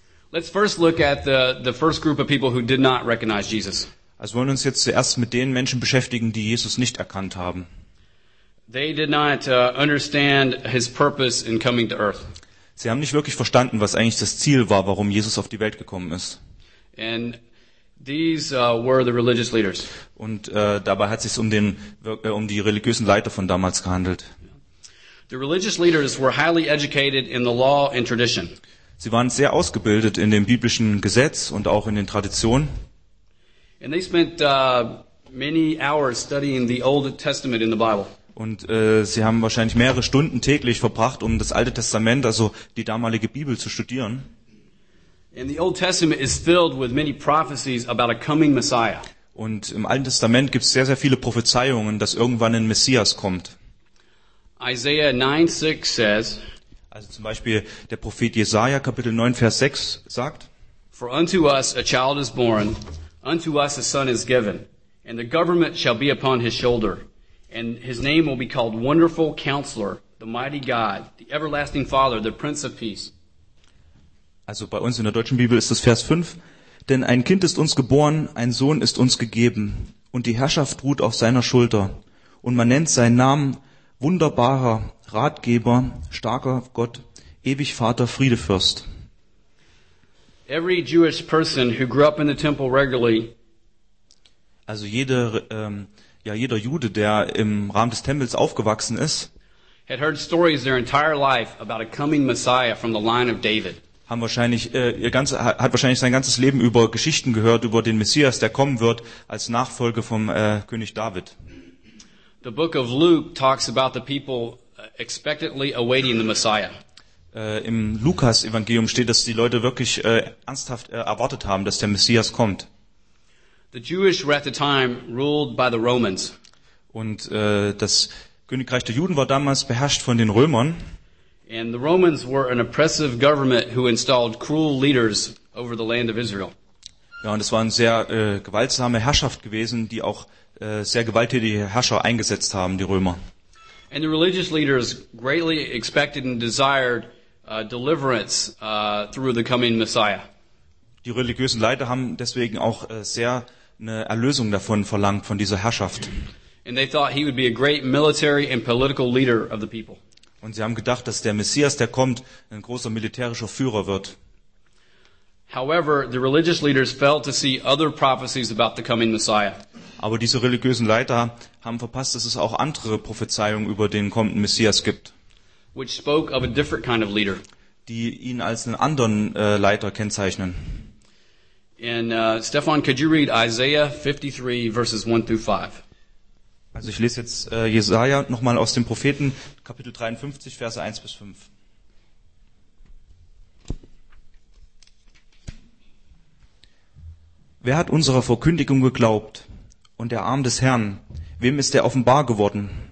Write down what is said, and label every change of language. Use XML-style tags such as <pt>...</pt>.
<en>Let's first look at the first group of people who did not recognize Jesus.</en> <de>Also wollen wir uns jetzt zuerst mit den Menschen beschäftigen, die Jesus nicht erkannt haben.</de> <en>They did not understand his purpose in coming to earth.</en> <de>Sie haben nicht wirklich verstanden, was eigentlich das Ziel war, warum Jesus auf die Welt gekommen ist.</de> <en>And these were the religious leaders.</en> <de>Und dabei hat es sich um die religiösen Leiter von damals gehandelt.</de> <en>The religious leaders were highly educated in the law and tradition.</en> <de>Sie waren sehr ausgebildet in dem biblischen Gesetz und auch in den Traditionen.</de> <en>And they spent many hours studying the Old Testament in the Bible.</en> <de>Und sie haben wahrscheinlich mehrere Stunden täglich verbracht, um das Alte Testament, also die damalige Bibel, zu studieren.</de> <en>And the Old Testament is filled with many prophecies about a coming Messiah.</en> <de>Und im Alten Testament gibt es sehr, sehr viele Prophezeiungen, dass irgendwann ein Messias kommt.</de> <en>Isaiah 9:6 says,</en> <de>also zum Beispiel der Prophet Jesaja, Kapitel 9, Vers 6, sagt,</de> <en>For unto us a child is born, unto us a son is given, and the government shall be upon his shoulder. And his name will be called Wonderful Counselor, the Mighty God, the Everlasting Father, the Prince of Peace.</en> <de>Also bei uns in der deutschen Bibel ist das Vers 5. Denn ein Kind ist uns geboren, ein Sohn ist uns gegeben, und die Herrschaft ruht auf seiner Schulter. Und man nennt seinen Namen Wunderbarer, Ratgeber, starker Gott, ewig Vater, Friedefürst.</de> <en>Every Jewish person who grew up in the temple regularly,</en> <de>also jeder Jude, der im Rahmen des Tempels aufgewachsen ist,</de> <en>had heard stories their entire life about a coming Messiah from the line of David.</en> <de>Hat wahrscheinlich sein ganzes Leben über Geschichten gehört über den Messias, der kommen wird als Nachfolge vom König David.</de> <en>The book of Luke talks about the people expectantly awaiting the Messiah.</en> <de>Im Lukas-Evangelium steht, dass die Leute wirklich ernsthaft erwartet haben, dass der Messias kommt.</de> <en>The Jewish were at the time ruled by the Romans.</en> <de>Und das Königreich der Juden war damals beherrscht von den Römern.</de> <en>And the Romans were an oppressive government who installed cruel leaders over the land of Israel.</en> <de>Ja, und es war eine sehr gewaltsame Herrschaft gewesen, die auch sehr gewalttätige Herrscher eingesetzt haben, die Römer.</de> <en>And the religious leaders greatly expected and desired deliverance through the coming Messiah.</en> <de>Die religiösen Leiter haben deswegen auch sehr eine Erlösung davon verlangt, von dieser Herrschaft.</de> <en>And they thought he would be a great military and political leader of the people.</en> <de>Und sie haben gedacht, dass der Messias, der kommt, ein großer militärischer Führer wird.</de> <en>However, the religious leaders failed to see other prophecies about the coming Messiah.</en> <de>Aber diese religiösen Leiter haben verpasst, dass es auch andere Prophezeiungen über den kommenden Messias gibt.</de> <en>Which spoke of a different kind of leader.</en> <de>Die ihn als einen anderen Leiter kennzeichnen.</de> <en>And Stefan, could you read Isaiah 53 verses 1 through 5?</en> <de>Also ich lese jetzt Jesaja nochmal aus dem Propheten, Kapitel 53, Verse 1 bis 5. Wer hat unserer Verkündigung geglaubt? Und der Arm des Herrn, wem ist er offenbar geworden?</de>